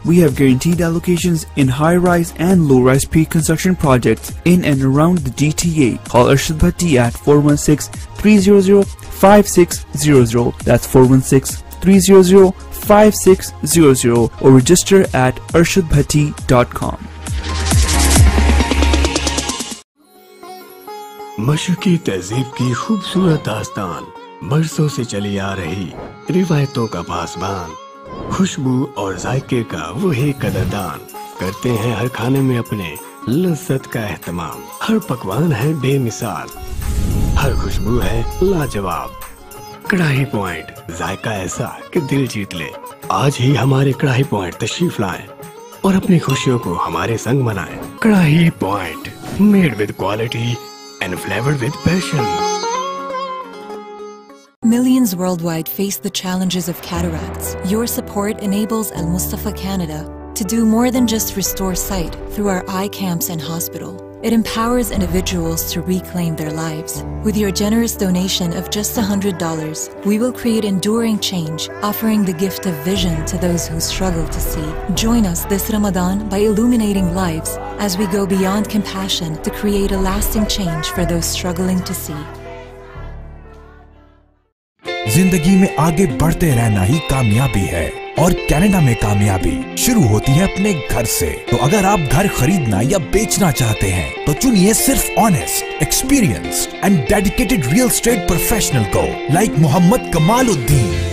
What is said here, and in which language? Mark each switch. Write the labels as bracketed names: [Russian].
[English] We have guaranteed allocations in high-rise and low-rise pre-construction projects in and around the GTA. Call Arshad Bhatti at 416-300-5600. That's 416-300-5600 or register at arshadbhatti.com. [Urdu] مشرقی تہذیب کی خوبصورت داستان برسوں سے چلی آ رہی روایتوں کا پاسبان, خوشبو اور ذائقے کا وہی قدردان, کرتے ہیں ہر کھانے میں اپنے لذت کا اہتمام, ہر پکوان ہے بے مثال, ہر خوشبو ہے لاجواب. کڑاہی پوائنٹ, ذائقہ ایسا کہ دل جیت لے. آج ہی ہمارے کڑاہی پوائنٹ تشریف لائیں اور اپنی خوشیوں کو ہمارے سنگ منائیں. [English] Karahi point, made with quality and flavoured with passion. Millions worldwide face the challenges of cataracts. Your support enables Al Mustafa Canada to do more than just restore sight through our eye camps and hospital. It empowers individuals to reclaim their lives. With your generous donation of just $100, we will create enduring change, offering the gift of vision to those who struggle to see. Join us this Ramadan by illuminating lives as we go beyond compassion to create a lasting change for those struggling to see. [Urdu] زندگی میں آگے بڑھتے رہنا ہی کامیابی ہے, اور Canada میں کامیابی شروع ہوتی ہے اپنے گھر سے. تو اگر آپ گھر خریدنا یا بیچنا چاہتے ہیں تو چنیے صرف [English] honest experienced and dedicated real estate professional [Urdu] کو لائک محمد کمال الدین.